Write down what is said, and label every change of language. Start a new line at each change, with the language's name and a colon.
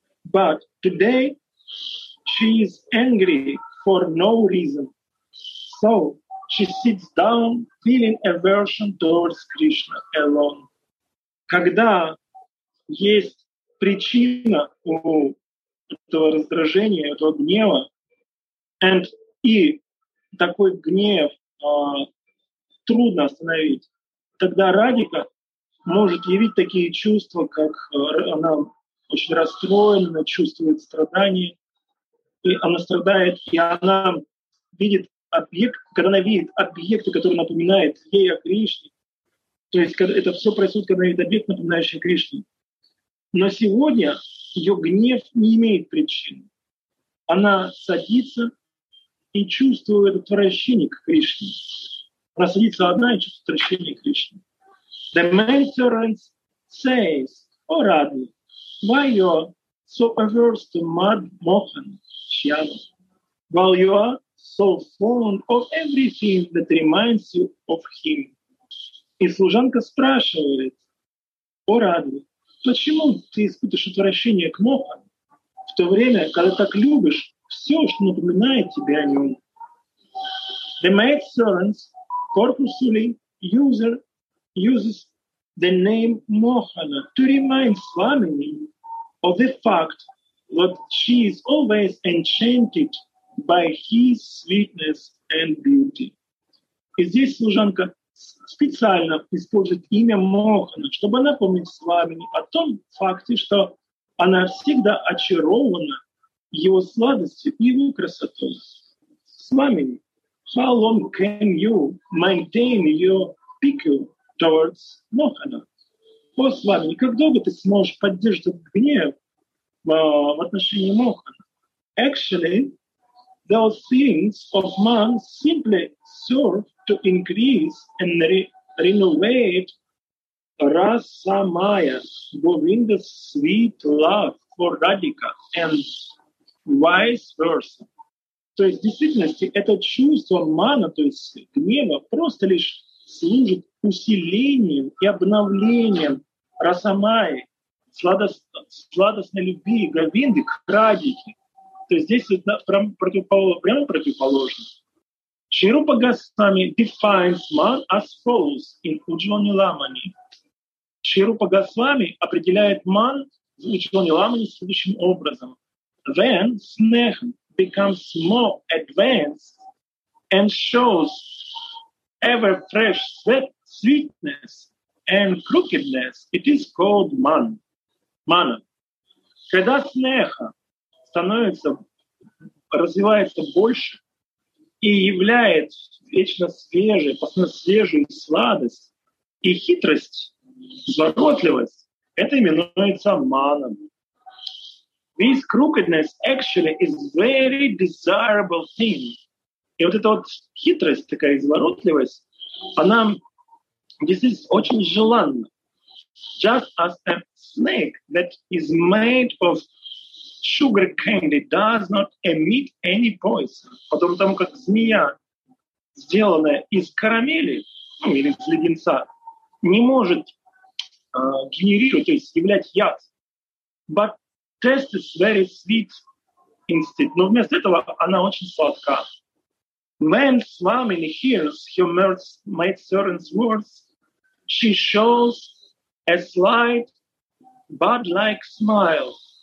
English: But today, she is angry for no reason. So she sits down, feeling aversion towards Krishna alone.
Russian: Когда есть причина у этого раздражения, этого гнева, and и такой гнев трудно остановить, тогда Радика может явить такие чувства, как она очень расстроена, чувствует страдание, и она страдает, и она видит объект, когда она видит объекты, которые напоминают ей о Кришне. То есть когда это все происходит, когда она видит объект, напоминающий Кришне. Но сегодня ее гнев не имеет причин. Она садится и чувствует отвращение к Кришне. Она садится одна и чувствует отвращение к Кришне.
English: The maidservant says, O Radha, why you are so averse to Madmohan, Shyama, while you are so fond of everything that reminds you of him?
Russian: И служанка спрашивает, О Радха, почему ты испытываешь отвращение к Мохану в то время, когда так любишь все, что напоминает тебе о нем?
English: The maidservant purposefully uses the name Mohana to remind Swamini of the fact that she is always enchanted by his sweetness and beauty.
Russian: И здесь служанка специально использует имя Мохана, чтобы напомнить Свамини о том факте, что она всегда очарована его сладостью и его красотой.
English: Свамини, how long can you maintain your pique towards Mohana?
Russian: О, Свамини, как долго ты сможешь поддерживать гнев в отношении Мохана?
English: Actually, those things of man simply serve to increase and renovate Rasa Maya, Govinda's sweet love for Radhika, and vice versa.
Russian: То есть, в действительности, это чувство мана, то есть гнева, просто лишь служит усилением и обновлением Rasa Maya, сладостной любви Говинды к Радхике. То есть здесь это прямо противоположно. Шрупа Госвами defines man as follows in Ujjvani Lamani. Шрупа Госвами определяет ман в Ujjvani Lamani следующим образом.
English: When Sneha becomes more advanced and shows ever fresh sweetness and crookedness, it is called man. Mana.
Russian: Когда Снеха становится, развивается больше и являет вечно свежей, постоянно свежую сладость и хитрость, заботливость, это именуется маном.
English: This crookedness actually is very desirable thing.
Russian: И вот эта вот хитрость, такая изворотливость, она здесь очень желанна.
English: Just as a snake that is made of sugar candy does not emit any poison.
Russian: Потом там как змея, сделанная из карамели, ну, или из леденца, не может генерировать, то есть являть яд.
English: But taste is very sweet instead.
Russian: Но вместо этого она очень сладка.
English: When Swamini hears her maidservant's words, she shows a slight bud-like smile.